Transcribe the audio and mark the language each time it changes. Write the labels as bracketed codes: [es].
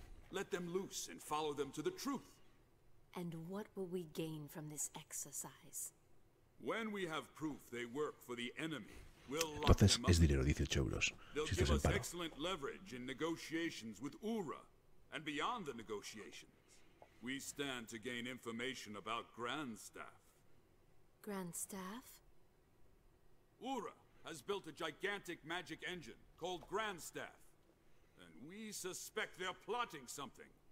[en] Let them loose and follow them to the truth. And what will we gain from this exercise? When we have proof they work for the enemy. [es] Entonces es dinero, 18 euros, si estás en paro. [en] Excellent leverage in negotiations with Ura, and beyond the negotiations, we stand to gain information about Grand Staff. Grand Staff? Ura has built a gigantic magic engine called Grand Staff, and we suspect they're plotting something.